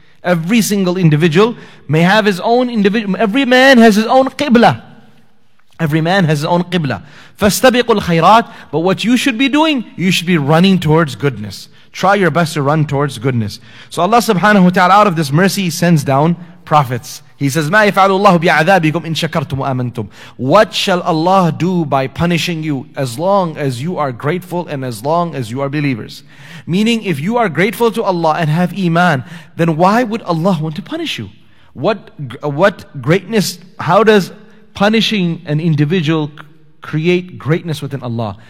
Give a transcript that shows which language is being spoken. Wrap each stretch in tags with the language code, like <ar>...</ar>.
<en>Every single individual may have his own individual. Every man has his own qibla. Every man has his own qibla.</en> <ar>فَاسْتَبِقُوا الْخَيْرَاتِ.</ar> <en>But what you should be doing, you should be running towards goodness. Try your best to run towards goodness. So Allah subhanahu wa ta'ala, out of this mercy, sends down prophets.</en> <ar>He says, مَا يَفْعَلُ اللَّهُ بِعَذَابِكُمْ إِن شَكَرْتُمْ وَآمَنْتُمْ.</ar> <en>What shall Allah do by punishing you as long as you are grateful and as long as you are believers? Meaning, if you are grateful to Allah and have iman, then why would Allah want to punish you? What greatness, how does punishing an individual create greatness within Allah?</en>